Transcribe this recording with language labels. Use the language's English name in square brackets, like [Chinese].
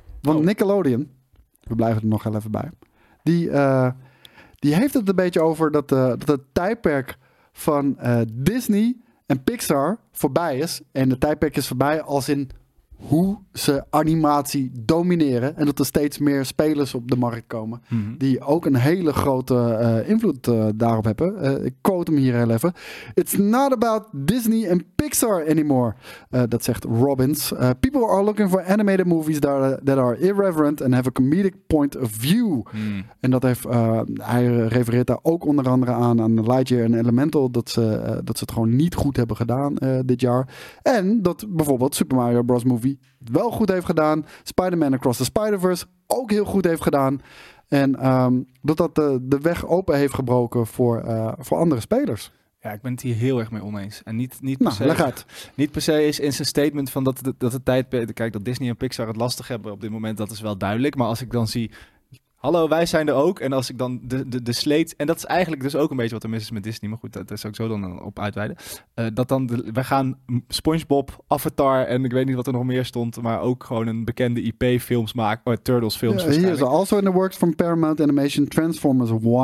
[Dutch] Want Nickelodeon, we blijven er nog even bij. Die heeft het een beetje over dat het tijdperk van Disney en Pixar voorbij is. En het tijdperk is voorbij als in hoe ze animatie domineren en dat er steeds meer spelers op de markt komen die ook een hele grote invloed daarop hebben. Ik quote hem hier heel even. [English] It's not about Disney and Pixar anymore, [Dutch] dat zegt Robbins. [English] People are looking for animated movies that are irreverent and have a comedic point of view. [Dutch] En dat heeft hij refereert daar ook onder andere aan Lightyear en Elemental, dat ze het gewoon niet goed hebben gedaan dit jaar. En dat bijvoorbeeld Super Mario Bros. Movie wel goed heeft gedaan. Spider-Man Across the Spider-Verse ook heel goed heeft gedaan. En dat de weg open heeft gebroken voor andere spelers. Ja, ik ben het hier heel erg mee oneens. En niet per se, leg uit. Niet per se is in zijn statement van dat de tijd... Kijk, dat Disney en Pixar het lastig hebben op dit moment, dat is wel duidelijk. Maar als ik dan zie... Hallo, wij zijn er ook. En als ik dan de sleet... En dat is eigenlijk dus ook een beetje wat er mis is met Disney. Maar goed, daar zou ik zo dan op uitweiden. We gaan SpongeBob, Avatar en ik weet niet wat er nog meer stond. Maar ook gewoon een bekende IP-films maken. Oh, Turtles films waarschijnlijk. [English] Hier is also in the works from Paramount Animation Transformers 1.